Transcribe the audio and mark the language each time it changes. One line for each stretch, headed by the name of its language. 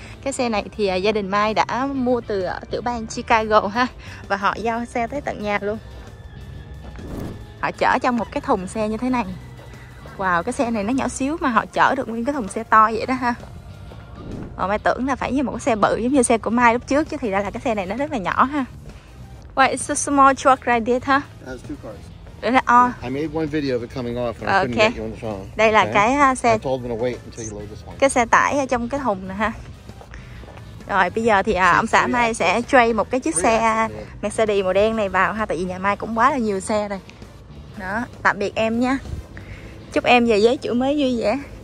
Vietnamese: Cái xe này thì gia đình Mai đã mua từ tiểu bang Chicago ha, và họ giao xe tới tận nhà luôn. Họ chở trong một cái thùng xe như thế này. Wow, cái xe này nó nhỏ xíu mà họ chở được nguyên cái thùng xe to vậy đó ha. Mà Mai tưởng là phải như một cái xe bự giống như xe của Mai lúc trước, chứ thì ra là cái xe này nó rất là nhỏ ha.
English: Wait, it's a small truck right there, huh? It has two cars. I made one video of it coming off and I couldn't get you on the phone.
Vietnamese: Đây là cái xe.
English: I told them to wait until you load this one.
Vietnamese: Cái xe tải ở trong cái thùng nè ha. Rồi bây giờ thì ông xã Mai sẽ trade một cái chiếc xe Mercedes màu đen này vào ha, tại vì nhà Mai cũng quá là nhiều xe rồi. Đó, tạm biệt em nha. Chúc em về với chủ mới vui vẻ.